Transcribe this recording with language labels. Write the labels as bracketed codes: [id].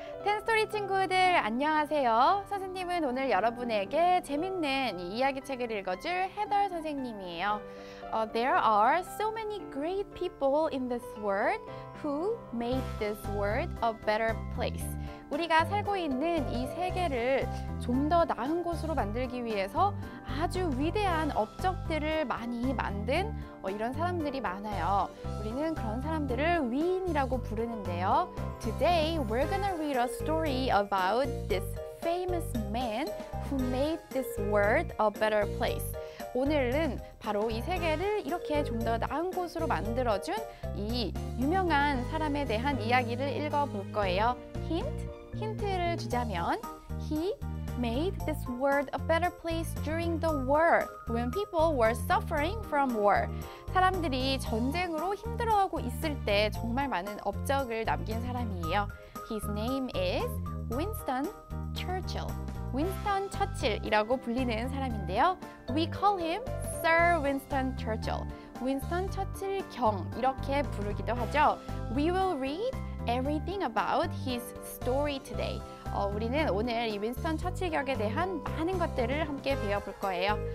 [ko] 10스토리 친구들, 안녕하세요. 선생님은 오늘 여러분에게 재밌는 이야기책을 읽어줄 헤더 선생님이에요. [en] There are so many great people in this world who made this world a better place. [ko] 우리가 살고 있는 이 세계를 좀 더 나은 곳으로 만들기 위해서 아주 위대한 업적들을 많이 만든 이런 사람들이 많아요. 우리는 그런 사람들을 위인이라고 부르는데요. [en] Today, we're gonna read a story about this famous man who made this world a better place. [ko] 오늘은 바로 이 세계를 이렇게 좀 더 나은 곳으로 만들어준 이 유명한 사람에 대한 이야기를 읽어볼 거예요. 힌트를 주자면 [en] He made this world a better place during the war when people were suffering from war. [ko] 사람들이 전쟁으로 힘들어하고 있을 때 정말 많은 업적을 남긴 사람이에요. [en] His name is Winston Churchill. [ko] 윈스턴 처칠이라고 불리는 사람인데요. [en] We call him Sir Winston Churchill. [ko] 윈스턴 처칠 경 이렇게 부르기도 하죠. [en] We will read everything about his story today. [ko] 우리는 오늘 이 윈스턴 처칠 역에 대한 많은 것들을 함께 배워볼 거예요.